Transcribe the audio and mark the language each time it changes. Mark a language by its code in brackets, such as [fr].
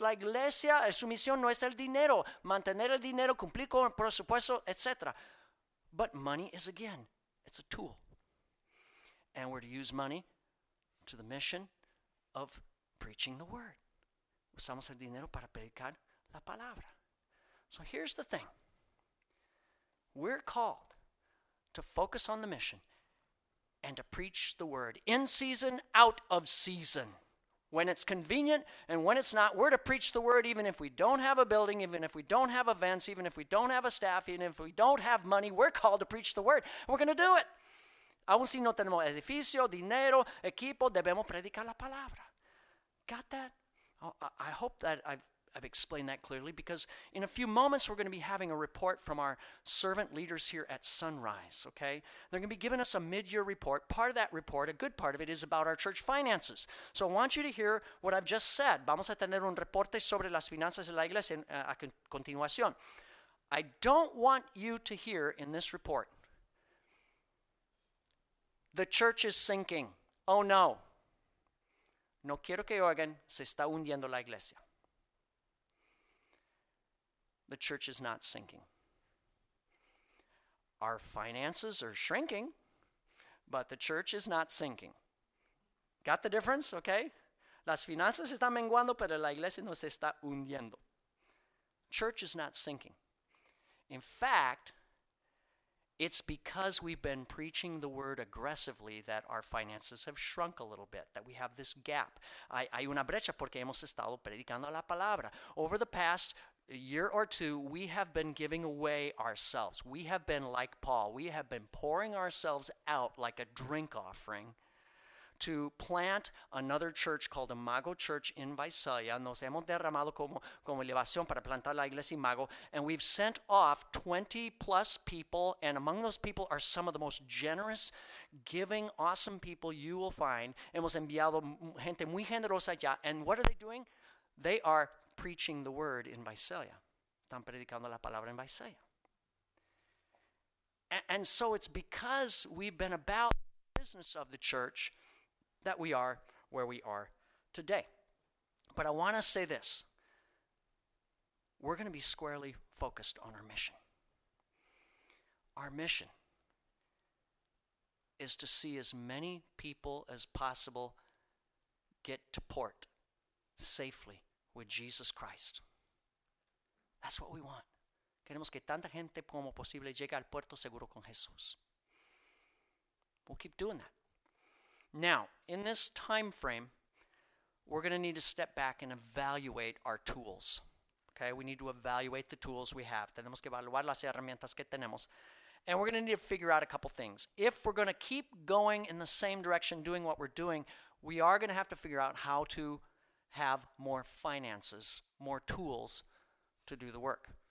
[es] La iglesia, su misión no es el dinero. Mantener el dinero, cumplir con el presupuesto, etc. [en] But money is, again, it's a tool. And we're to use money to the mission of preaching the word. [es] Usamos el dinero para predicar la palabra. [en] So here's the thing. We're called to focus on the mission and to preach the word in season, out of season. When it's convenient and when it's not, we're to preach the word even if we don't have a building, even if we don't have events, even if we don't have a staff, even if we don't have money, we're called to preach the word. We're going to do it. [es] Aún si no tenemos edificio, dinero, equipo, debemos predicar la palabra. [en] Got that? I hope that I've explained that clearly, because in a few moments we're going to be having a report from our servant leaders here at Sunrise, okay? They're going to be giving us a mid-year report. Part of that report, a good part of it, is about our church finances. So I want you to hear what I've just said. [es] Vamos a tener un reporte sobre las finanzas de la iglesia a continuación. [en] I don't want you to hear in this report, the church is sinking. Oh no. [es] No quiero que oigan, se está hundiendo la iglesia. [en] The church is not sinking. Our finances are shrinking, but the church is not sinking. Got the difference? Okay. [es] Las finanzas están menguando, pero la iglesia no se está hundiendo. [en] Church is not sinking. In fact, it's because we've been preaching the word aggressively that our finances have shrunk a little bit, that we have this gap. [es] Hay una brecha porque hemos estado predicando la palabra. [en] Over the past a year or two, we have been giving away ourselves. We have been like Paul. We have been pouring ourselves out like a drink offering to plant another church called Imago Church in Visalia. [es] Nos hemos derramado como elevación para plantar la iglesia Imago. [en] And we've sent off 20-plus people, and among those people are some of the most generous, giving, awesome people you will find. [es] Hemos enviado gente muy generosa allá. [en] And what are they doing? They are preaching the word in Visalia. [es] Están predicando la palabra en Visalia. [en] And so it's because we've been about the business of the church that we are where we are today. But I want to say this. We're going to be squarely focused on our mission. Our mission is to see as many people as possible get to port safely with Jesus Christ. That's what we want. [es] Queremos que tanta gente como posible llegue al puerto seguro con Jesús. [en] We'll keep doing that. Now, in this time frame, we're going to need to step back and evaluate our tools. Okay, we need to evaluate the tools we have. [es] Tenemos que evaluar las herramientas que tenemos. [en] And we're going to need to figure out a couple things. If we're going to keep going in the same direction, doing what we're doing, we are going to have to figure out how to have more finances, more tools to do the work.